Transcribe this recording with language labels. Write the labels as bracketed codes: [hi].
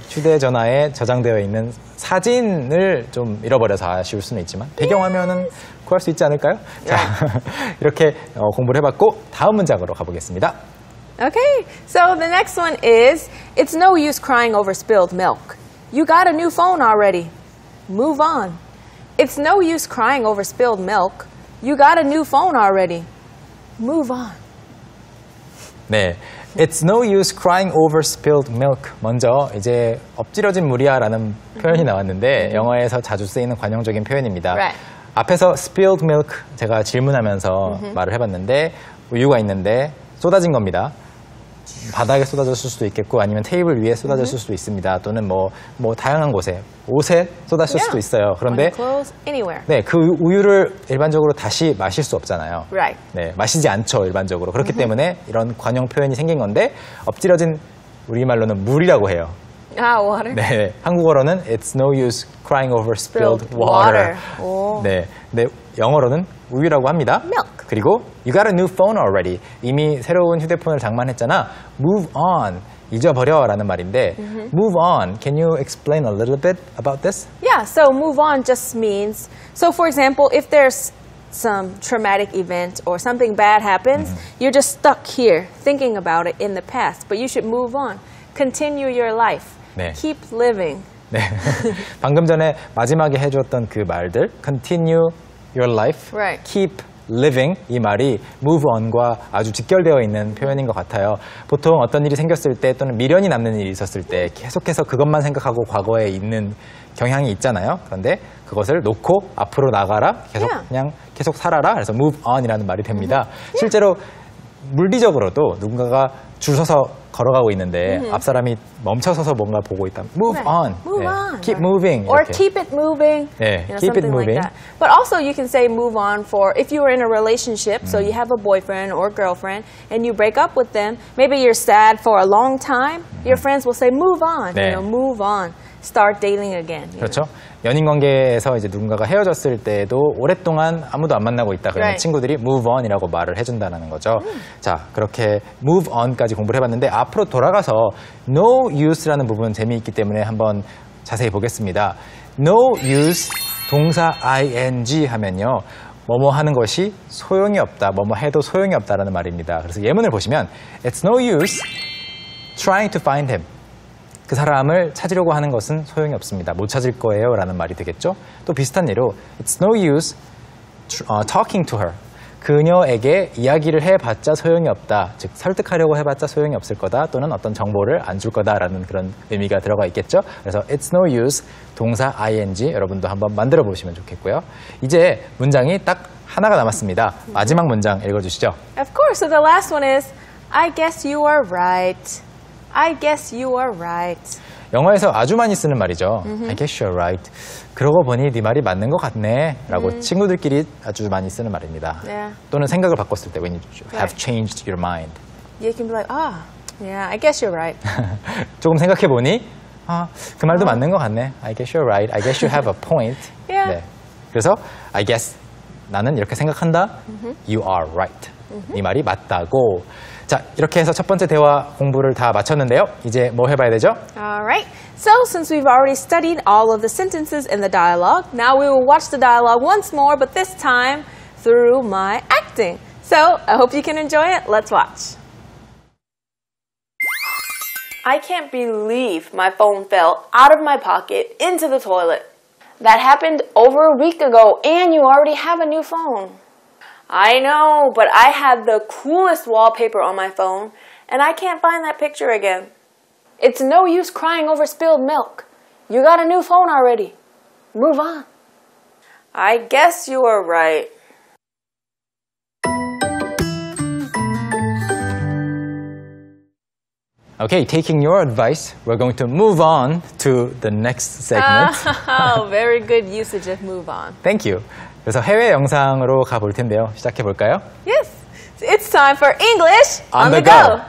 [ko] 휴대전화에 저장되어 있는 사진을 좀 잃어버려서 아쉬울 수는 있지만 배경화면은 [en] yes. [ko] 구할 수 있지 않을까요? [en] Right. [ko] 자, 이렇게 공부를 해봤고 다음 문장으로 가보겠습니다. [en] Okay, so the next one is It's no use crying over spilled milk. You got a new phone already. Move on. It's no use crying over spilled milk. You got a new phone already. Move on. 네, It's no use crying over spilled milk. [ko] 먼저 이제 엎지러진 물이야라는 표현이 나왔는데 mm-hmm. 영어에서 자주 쓰이는 관용적인 표현입니다. [en] Right. [ko] 앞에서 spilled milk 제가 질문하면서 mm-hmm. 말을 해봤는데 우유가 있는데 쏟아진 겁니다. 바닥에 쏟아졌을 수도 있겠고 아니면 테이블 위에 쏟아졌을 mm-hmm. 수도 있습니다. 또는 뭐 다양한 곳에 옷에 쏟았을 [en] yeah. [ko] 수도 있어요. 그런데 [en] clothes, [ko] 네, 그 우유를 일반적으로 다시 마실 수 없잖아요. [en] Right. [ko] 네, 마시지 않죠, 일반적으로. 그렇기 mm-hmm. 때문에 이런 관용 표현이 생긴 건데 엎지러진 우리말로는 물이라고 해요. [en] Ah, water. [ko] 네, 한국어로는 [en] It's no use crying over spilled water. [ko] 네, 네, 영어로는 우유라고 합니다. [en] Milk. 그리고 You got a new phone already. [ko] 이미 새로운 휴대폰을 장만했잖아. [en] Move on. [ko] 잊어버려라는 말인데 mm-hmm. [en] Move on. Can you explain a little bit about this? Yeah, so move on just means So for example, if there's some traumatic event or something bad happens, mm-hmm. you're just stuck here thinking about it in the past. But you should move on. Continue your life. 네. Keep living. [ko] 네. 방금 전에 마지막에 해줬던 그 말들 [en] Continue your life. Right. Keep living [ko] 이 말이 move on과 아주 직결되어 있는 표현인 것 같아요. 보통 어떤 일이 생겼을 때 또는 미련이 남는 일이 있었을 때 계속해서 그것만 생각하고 과거에 있는 경향이 있잖아요. 그런데 그것을 놓고 앞으로 나가라, 계속 yeah. 그냥 계속 살아라. 그래서 move on이라는 말이 됩니다. [en] Yeah. [ko] 실제로 물리적으로도 누군가가 줄 서서 걸어가고 있는데 mm-hmm. 앞 사람이 멈춰 서서 뭔가 보고 있다. [en] Move right. on. Move [ko] 네. [en] on. Keep moving. Or 이렇게. keep it moving. [ko] 네. [en] You know, keep it moving. Like that. But also you can say move on for if you are in a relationship, so you have a boyfriend or girlfriend and you break up with them, maybe you're sad for a long time. Mm-hmm. Your friends will say move on. [ko] 네. [en] You know, move on. Start dating again. [ko] 그렇죠. [en] Know? [ko] 연인 관계에서 이제 누군가가 헤어졌을 때도 오랫동안 아무도 안 만나고 있다 그러면 [en] right. [ko] 친구들이 move on이라고 말을 해준다는 거죠. Mm. 자, 그렇게 move on까지 공부를 해봤는데 앞으로 돌아가서 no use라는 부분 재미있기 때문에 한번 자세히 보겠습니다. No use, 동사 ing 하면요. 뭐뭐 하는 것이 소용이 없다, 뭐뭐 해도 소용이 없다라는 말입니다. 그래서 예문을 보시면 [en] It's no use trying to find him. [ko] 그 사람을 찾으려고 하는 것은 소용이 없습니다. 못 찾을 거예요 라는 말이 되겠죠. 또 비슷한 예로 [en] It's no use talking to her. [ko] 그녀에게 이야기를 해봤자 소용이 없다. 즉 설득하려고 해봤자 소용이 없을 거다. 또는 어떤 정보를 안 줄 거다라는 그런 의미가 들어가 있겠죠. 그래서 [en] It's no use [ko] 동사 ing 여러분도 한번 만들어 보시면 좋겠고요. 이제 문장이 딱 하나가 남았습니다. 마지막 문장 읽어주시죠. [en] Of course. So the last one is I guess you are right. I guess you are right. [ko] 영어에서 아주 많이 쓰는 말이죠. Mm-hmm. [en] I guess you're right. [ko] 그러고 보니 네 말이 맞는 것 같네. 라고 mm-hmm. 친구들끼리 아주 많이 쓰는 말입니다. [en] Yeah. [ko] 또는 생각을 바꿨을 때 [en] when you have right. changed your mind. You can be like, ah, oh, yeah, I guess you're right. [ko] 조금 생각해 보니 아, 그 말도 oh. 맞는 것 같네. [en] I guess you're right. I guess you have a point. yeah. [ko] 네. 그래서 I guess 나는 이렇게 생각한다. Mm-hmm. [en] You are right. Mm-hmm. [ko] 네 말이 맞다고. 자, 이렇게 해서 첫 번째 대화 공부를 다 마쳤는데요. 이제 뭐 해봐야 되죠? [en] Alright, so since we've already studied all of the sentences in the dialogue, now we will watch the dialogue once more, but this time through my acting. So, I hope you can enjoy it. Let's watch. I can't believe my phone fell out of my pocket into the toilet. That happened over a week ago, and you already have a new phone. I know, but I had the coolest wallpaper on my phone, and I can't find that picture again. It's no use crying over spilled milk. You got a new phone already. Move on. I guess you are right. Okay, taking your advice, we're going to move on to the next segment. Very good usage of move on. Thank you. [ko] 그래서 해외 영상으로 가볼 텐데요. 시작해 볼까요? [en] Yes. It's time for English on the go.